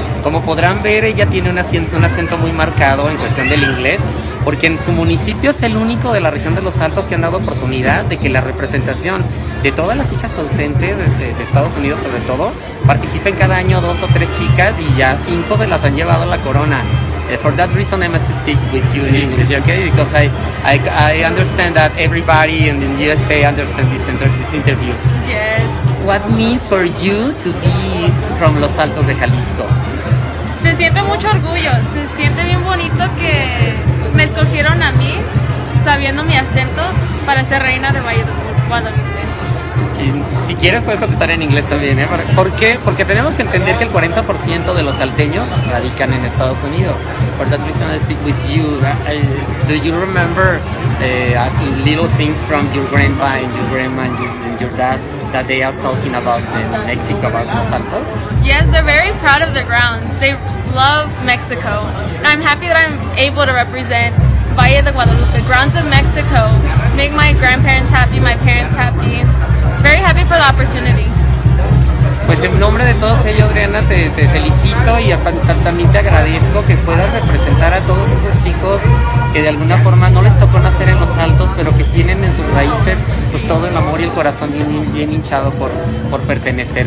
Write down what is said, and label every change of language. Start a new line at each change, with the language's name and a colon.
Spanish: Como podrán ver, ella tiene un acento muy marcado en cuestión del inglés, porque en su municipio es el único de la región de Los Altos que han dado oportunidad de que la representación de todas las hijas docentes de Estados Unidos, sobre todo, participen cada año dos o tres chicas, y ya cinco se las han llevado la corona.
English: For that reason, I must speak with you in English, okay? Because I understand that everybody in the USA understands this interview. Yes. What means for you to be from Los Altos de Jalisco?
Spanish: Se siente mucho orgullo. Se siente bien bonito que me escogieron a mí, sabiendo mi acento, para ser reina de Valle de Guadalupe. Si quieres, puedes contestar en inglés también, ¿eh? ¿Por qué? Porque tenemos que entender que el 40% de los salteños radican en Estados Unidos.
English: For that reason, I speak with you. Do you remember little things from your grandpa and your grandma and your dad that they are talking about in Mexico, about Los Altos? Yes, they're very proud of their grounds. They love Mexico. And I'm happy that I'm able to represent Valle de Guadalupe, grounds of Mexico, make my grandparents happy, my parents happy. Very happy for the opportunity.
Spanish: Pues en nombre de todos ellos, Adriana, te felicito y también te agradezco que puedas representar a todos esos chicos que de alguna forma no les tocó nacer en Los Altos, pero que tienen en sus raíces pues todo el amor y el corazón bien hinchado por pertenecer.